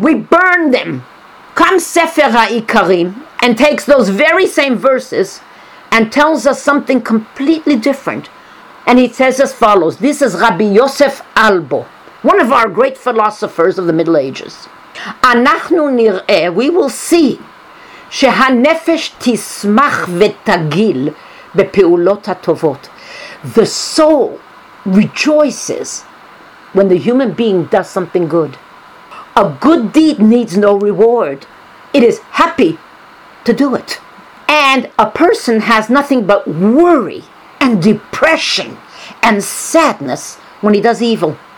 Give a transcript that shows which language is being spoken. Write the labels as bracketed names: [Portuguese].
[English] We burned them. Come Sefer HaIkarim and takes those very same verses and tells us something completely different. And he says as follows. This is Rabbi Yosef Albo, one of our great philosophers of the Middle Ages. Anachnu nir'eh, we will see. [Hebrew] שהנפש תשמח ותגיל בפעולות הטובות. [English] The soul rejoices when the human being does something good. A good deed needs no reward. It is happy to do it. And a person has nothing but worry and depression and sadness when he does evil.